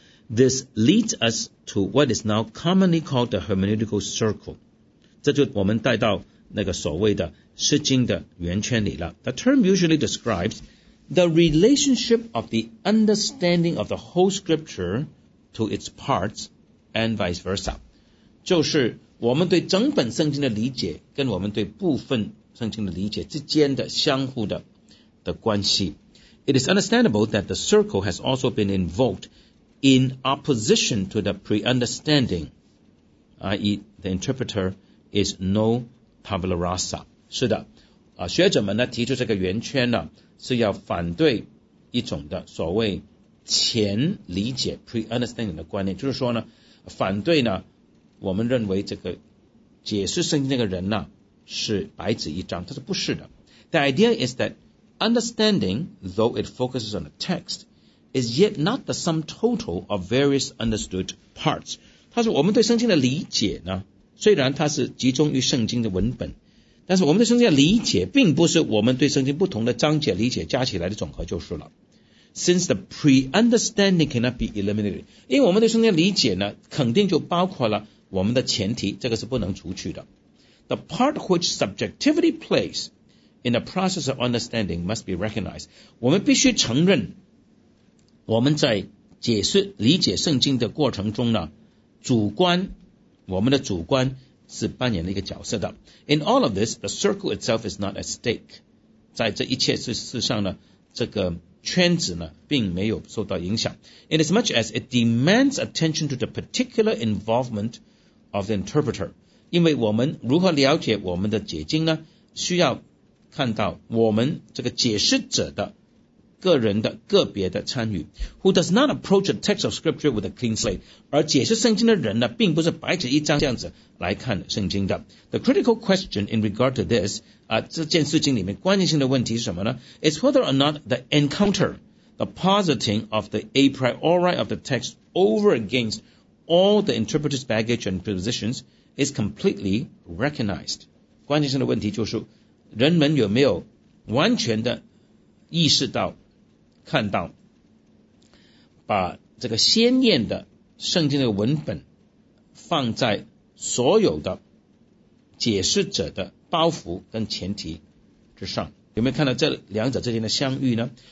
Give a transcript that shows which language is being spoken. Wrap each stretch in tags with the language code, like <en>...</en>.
<en>This leads us to what is now commonly called the hermeneutical circle.</en> <zh>这就我们带到那个所谓的释经的圆圈里了。</zh> <en>The term usually describes the relationship of the understanding of the whole scripture to its parts and vice versa.</en> <zh>就是我们对整本圣经的理解跟我们对部分圣经的理解之间的相互的关系。</zh> <en>It is understandable that the circle has also been invoked in opposition to the pre-understanding, i.e. the interpreter is no tabula rasa.</en> <zh>是的，学者们呢提出这个圆圈呢，是要反对一种的所谓前理解 pre-understanding 的观念，就是说呢，反对呢，我们认为这个解释圣经那个人呢是白纸一张，他说不是的。</zh> <en>The idea is that understanding, though it focuses on the text,is yet not the sum total of various understood parts.</en> <zh>他说我们对圣经的理解呢，虽然它是集中于圣经的文本，但是我们对圣经的理解并不是我们对圣经不同的章节理解加起来的总和就是了。</zh> <en>Since the pre-understanding cannot be eliminated,</en> <zh>因为我们对圣经的理解呢，肯定就包括了我们的前提，这个是不能除去的。</zh> <en>The part which subjectivity plays in the process of understanding must be recognized.</en> <zh>我们必须承认我们在解释理解圣经的过程中呢，主观，我们的主观是扮演了一个角色的。</zh> <en>In all of this, the circle itself is not at stake.</en> <zh>在这一切事上呢，这个圈子呢并没有受到影响。</zh> <en>Inasmuch as it demands attention to the particular involvement of the interpreter.</en> <zh>因为我们如何了解我们的解经呢，需要看到我们这个解释者的个人的个别的参与。</zh> <en>Who does not approach the text of scripture with a clean slate.</en> <zh>而解释圣经的人呢，并不是白纸一张这样子来看圣经的。</zh> <en>The critical question in regard to this,</en> <zh>这件事情里面关键性的问题是什么呢？</zh> <en>Is whether or not the encounter, the positing of the a priori of the text over against all the interpreter's baggage and prepositions is completely recognized.</en> <zh>关键性的问题就是人们有没有完全的意识到看到把这个鲜艳的圣经的文本放在所有的解释者的包袱跟前提之上，有没有看到这两者之间的相遇呢？</zh>